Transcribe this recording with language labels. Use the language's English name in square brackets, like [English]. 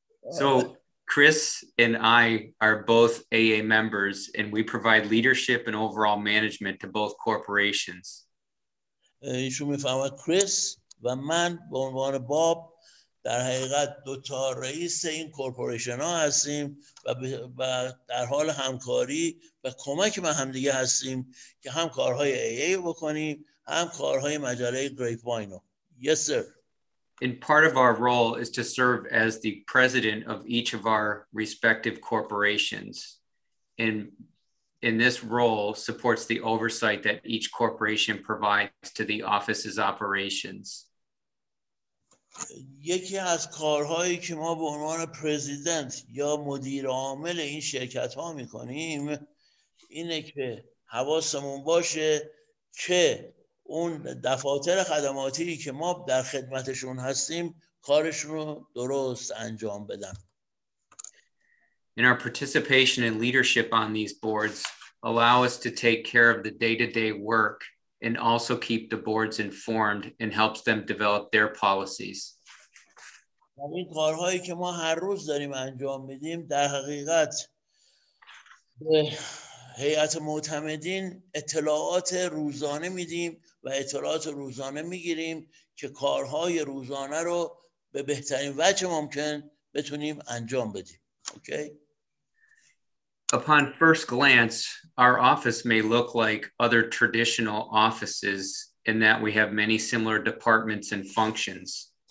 [English] So Chris and I are both AA members, and we provide leadership and overall management to both corporations. [Persian] ایشون میفهمد کریس و من به عنوان باب در حقیقت دوتا رئیس این کورپوریشن ها هستیم و در حال همکاری و کمک ما هم دیگه هستیم که هم کارهای AA بکنیم هم کارهای مجله گریپ واینو. [English] Yes, sir. And part of our role is to serve as the president of each of our respective corporations. And in this role supports the oversight that each corporation provides to the office's operations. [Persian] یکی از کارهایی که ما به عنوان پرزیدنت یا مدیر عامل این شرکت ها می کنیم اینه که حواسمون باشه که اون دفاتر خدماتی که ما در خدمتشون هستیم کارشون رو درست انجام بدن. [English] In our participation and leadership on these boards allow us to take care of the day-to-day work and also keep the boards informed and helps them develop their policies. [Persian] این کارهایی که ما هر روز داریم انجام میدیم در حقیقت به هیئت معتمدین اطلاعات روزانه میدیم و اطلاعات روزانه میگیریم که کارهای روزانه رو به بهترین وجه ممکن بتونیم انجام بدیم. [English] Okay. Upon first glance, our office may look like other traditional offices in that we have many similar departments and functions.